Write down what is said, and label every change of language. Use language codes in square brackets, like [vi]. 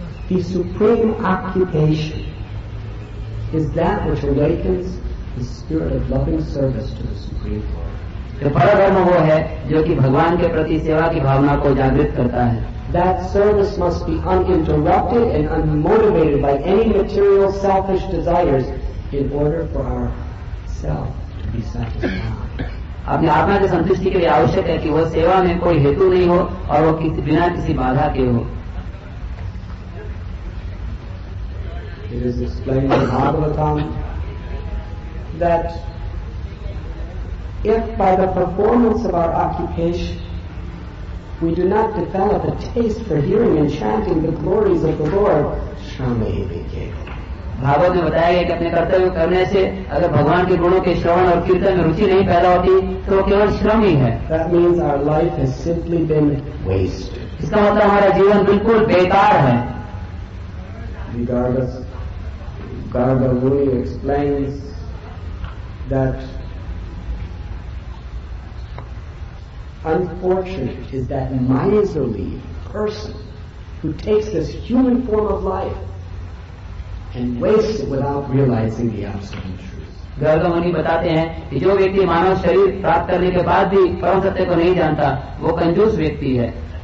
[en] The supreme occupation is that which awakens the spirit of loving service to the supreme lord. [hi] तो परधर्म वो है जो कि भगवान के प्रति सेवा की भावना को जागृत करता है. [en] That service must be uninterrupted and unmotivated by any material selfish desires in order for our self to be satisfied. [hi] अपनी आत्मा की संतुष्टि के लिए आवश्यक है कि वह सेवा में कोई हेतु नहीं हो और वो किसी बिना किसी बाधा के हो. [en] It is explained in Bhagavatam that if by the performance of our occupation we do not develop a taste for hearing and chanting the glories of the Lord, [hi] Bhagavat में बताया गया कि अपने कर्तव्य करने से अगर भगवान के गुणों के श्रवण और कीर्तन में रुचि नहीं पैदा होती तो केवल श्रम ही है. [en] That means our life has simply been wasted. [hi] इसका मतलब हमारा जीवन बिल्कुल बेकार है. [en] Regardless, Garga Muni explains that unfortunate is that miserly person who takes this human form of life and wastes it without realizing the absolute truth. [hi] Garga Muni बताते हैं कि जो व्यक्ति मानव शरीर प्राप्त करने के बाद भी परम सत्य को नहीं जानता वो कंजूस व्यक्ति है.